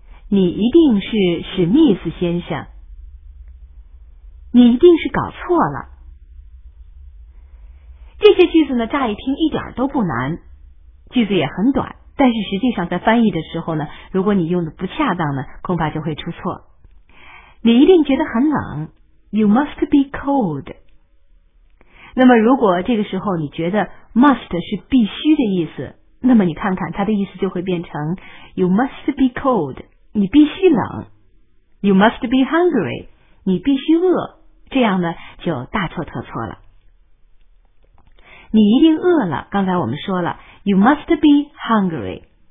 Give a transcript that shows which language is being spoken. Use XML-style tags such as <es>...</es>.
<zh>你一定是史密斯先生。你一定是搞错了。这些句子呢，乍一听一点都不难，句子也很短。但是实际上在翻译的时候呢，如果你用的不恰当呢，恐怕就会出错。你一定觉得很冷，</zh> <en>You must be cold.</en> <zh>那么如果这个时候你觉得 must 是必须的意思，那么你看看它的意思就会变成</zh> <en>You must be cold.</en> <zh>你必须冷。</zh> <en>You must be hungry.</en> <zh>你必须饿。这样呢就大错特错了。你一定饿了，刚才我们说了</zh> <en>You must be hungry.</en>